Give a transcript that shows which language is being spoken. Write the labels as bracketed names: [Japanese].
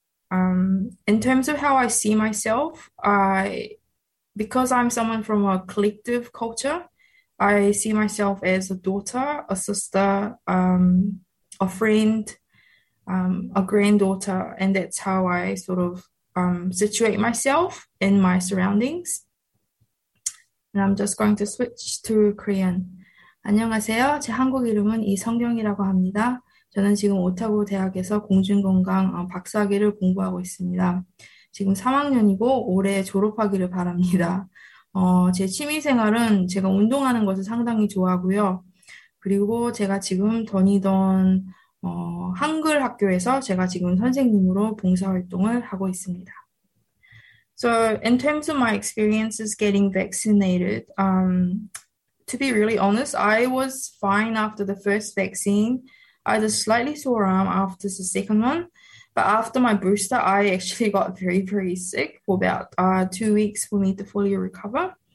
[English] In terms of how I see myself, because I'm someone from a collective culture, I see myself as a daughter, a sister, a friend, a granddaughter, and that's how I sort of situate myself in my surroundings. And I'm just going to switch to Korean. [Korean] 안녕하세요. 제 한국 이름은 이성경이라고 합니다. 저는 지금 오타고 대학에서 공중건강 박사학위를 공부하고 있습니다. 지금 3학년이고 올해 졸업하기를 바랍니다. 제 취미생활은 제가 운동하는 것을 상당히 좋아하고요. 그리고 제가 지금 더니던 한글 학교에서 제가 지금 선생님으로 봉사활동을 하고 있습니다. [English] So in terms of my experiences getting vaccinated, to be really honest, I was fine after the first vaccine. I had a slightly sore arm after the second one. But after my booster, I actually got very, very sick for about 2 weeks for me to fully recover.